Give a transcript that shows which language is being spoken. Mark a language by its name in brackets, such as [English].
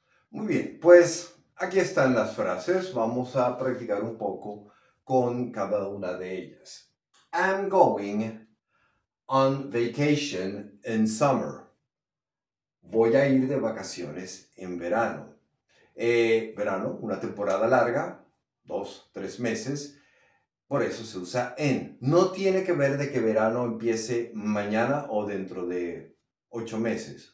[Spanish] Muy bien, pues aquí están las frases. Vamos a practicar un poco con cada una de ellas. [English] I'm going on vacation in summer. [Spanish] Voy a ir de vacaciones en verano. Verano, una temporada larga, 2-3 meses. Por eso se usa en. No tiene que ver de que verano empiece mañana o dentro de 8 meses.